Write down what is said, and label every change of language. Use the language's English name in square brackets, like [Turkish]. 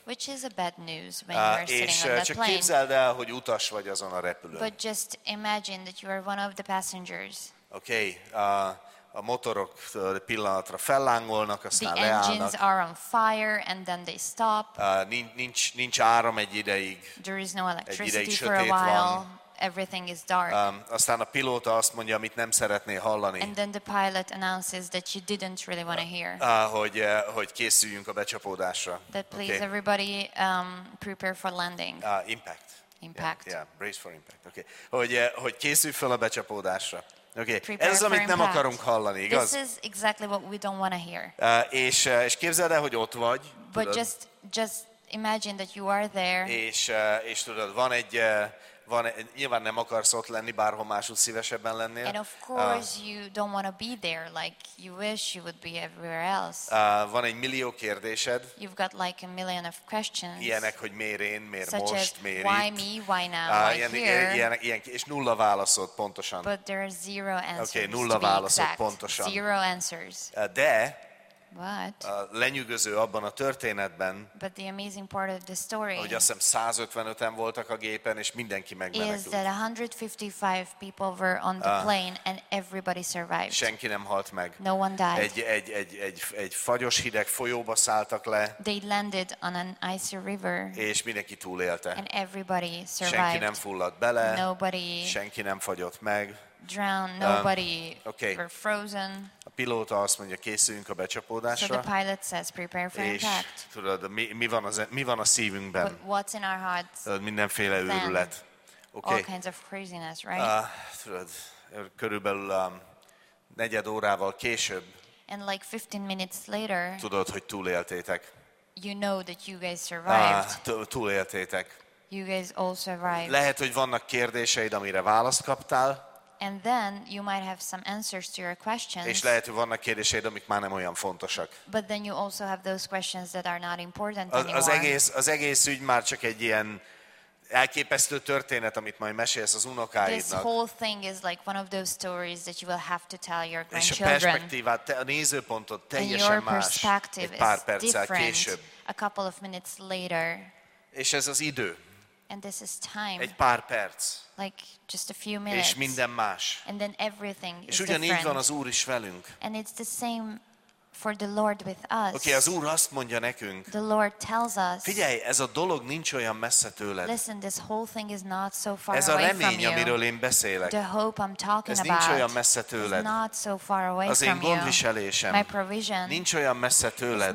[English] Which is a bad news when you're sitting on that plane. [Hungarian] És képzeld el, hogy utas vagy azon a repülőn. [English] But just imagine that you are one of the passengers. [Hungarian] Okay, a motorok pillanatra fellángolnak, aztán [English] the [Hungarian] leállnak. [English] The engines are on fire and then they stop. [Hungarian] Nincs áram egy ideig. [English] There is no electricity for a while. Everything is dark. [Hungarian] Aztán a pilóta azt mondja, amit nem szeretné hallani. [English] And then the pilot announces that you didn't really want to hear. [Hungarian] Hogy készüljünk a becsapódásra. [English] That please okay. Everybody prepare for landing. Impact. Yeah, brace for impact. Okay. [Hungarian] Hogy készülj fel a becsapódásra. Okay. Ez amit nem akarunk hallani, igaz? [English] This is exactly what we don't want to hear. [Hungarian] És képzeld el, hogy ott vagy. [English] But just imagine that you are there. [Hungarian] És tudod, van egy nyilván nem akarsz ott lenni, bárhol máshol szívesebben lennél. [English] And of course you don't want to be there like you wish you would be everywhere else. [Hungarian] Van egy millió kérdésed. [English] You've got like a million of questions. [Hungarian] Ilyenek, hogy miért én, miért [English] such [Hungarian] most, miért [English] why [Hungarian] itt. [English] Me, why now, why [Hungarian] ilyen, és nulla válaszod pontosan. [English] But there are zero answers. [Hungarian] Okay, nulla válaszod pontosan. [English] Zero answers. [Hungarian] De [English] what? [Hungarian] Lenyűgöző abban a történetben, [English] but the amazing part of the story, [Hungarian] hogy azt hiszem 155-en voltak a gépen, és mindenki megmenekült. [English] Is that 155 people were on the plane and everybody survived. [Hungarian] Senki nem halt meg. [English] No one died. [Hungarian] Egy fagyos hideg folyóba szálltak le. [English] They landed on an icy river. [Hungarian] És mindenki túlélte. [English] And everybody survived. [Hungarian] Senki nem fulladt bele. [English] Nobody. [Hungarian] Senki nem fagyott meg. [English] Drown. Nobody. Okay. Were frozen. [Hungarian] A pilóta azt mondja, készüljünk a becsapódásra. [English] So the pilot says, prepare for impact. [Hungarian] És tudod, mi van a szívünkben? [English] What's in our hearts? [Hungarian] Mindenféle őrület. [English] Okay. All kinds of craziness, right? [Hungarian] Tudod, körülbelül negyed órával később. [English] And like 15 minutes later. [Hungarian] Tudod, hogy túléltétek. [English] You know that you guys survived. [Hungarian] Túléltétek. [English] You guys all survived. [Hungarian] Lehet, hogy vannak kérdéseid, amire választ kaptál. [English] And then you might have some answers to your questions. [Hungarian] És lehet, hogy vannak kérdéseid, amik már nem olyan fontosak. [English] But then you also have those questions that are not important anymore. [Hungarian] Az egész ügy már csak egy ilyen elképesztő történet, amit majd mesélsz az unokáidnak. [English] This whole thing is like one of those stories that you will have to tell your grandchildren. [Hungarian] És a perspektívát, a nézőpontod teljesen más. Egy pár perccel később. [English] A couple of minutes later. [Hungarian] És ez az idő. [English] And this is time. [Hungarian] Egy pár perc. [English] Like just a few minutes. [Hungarian] És minden más. [English] And then everything [Hungarian] és ugyanígy van az Úr is velünk. [English] And it's the same for the Lord with us. [Hungarian] Okay, az Úr azt mondja nekünk. [English] The Lord tells us. [Hungarian] Figyelj, ez a dolog nincs olyan messze tőled. [English] Listen, this whole thing is not so far [Hungarian] ez [English] away [Hungarian] a remény, [English] from you. [Hungarian] Amiről én beszélek. [English] The hope I'm talking [Hungarian] ez [English] about. [Hungarian] Nincs olyan messze tőled. [English] It's not so far away [Hungarian] az én gondviselésem. [English] My provision. [Hungarian] Nincs olyan messze tőled.